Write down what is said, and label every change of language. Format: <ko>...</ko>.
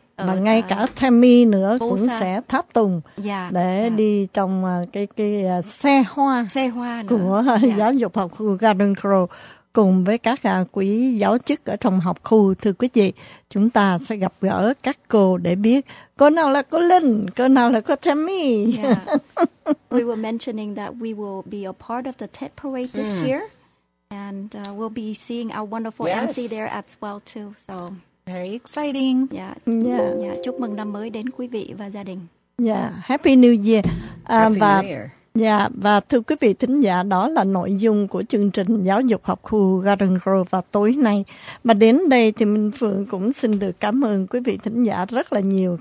<vi>Và ngay cả Tammy nữa cũng sẽ tháp tùng đi trong cái xe hoa của giáo dục học khu Garden Grove cùng với các quý giáo chức ở trong học khu. Thưa quý vị, chúng ta sẽ gặp gỡ các cô để biết cô nào là cô Linh, cô nào là cô Tammy.</vi> <en>We were mentioning that we will be a part of the Tết Parade this year, and we'll be seeing our wonderful MC there as well too. So very exciting.</en> <vi>Chúc mừng năm mới đến quý vị và gia đình.</vi> <en>Happy New Year. Happy New Year.</en> <vi>Và thưa quý vị thính giả, đó là nội dung của chương trình giáo dục học khu Garden Grove vào tối nay. Mà đến đây thì Minh Phượng cũng xin được cảm ơn quý vị thính giả rất là nhiều.</vi>